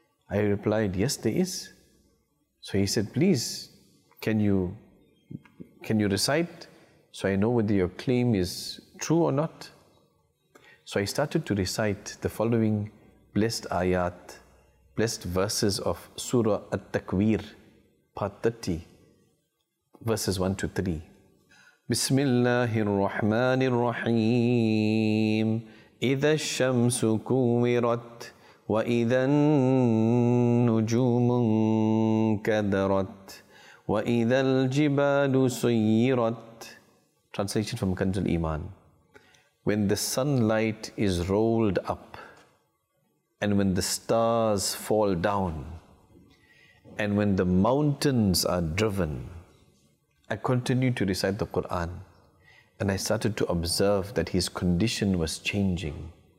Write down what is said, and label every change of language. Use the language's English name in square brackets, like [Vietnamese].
[English] I replied, yes, there is. So he said, please, can you recite so I know whether your claim is true or not? So I started to recite the following blessed ayat, blessed verses of Surah At-Takwir, part 30, verses 1 to 3. [Arabic] Bismillahir Rahmanir Rahim. إذا الشمس كورت وإذا النجوم كدرت وإذا الجبال سيرت. [English] Translation from Kanz al-Iman. When the sunlight is rolled up, and when the stars fall down, and when the mountains are driven, I continue to recite the Quran. And I started to observe that his condition was changing.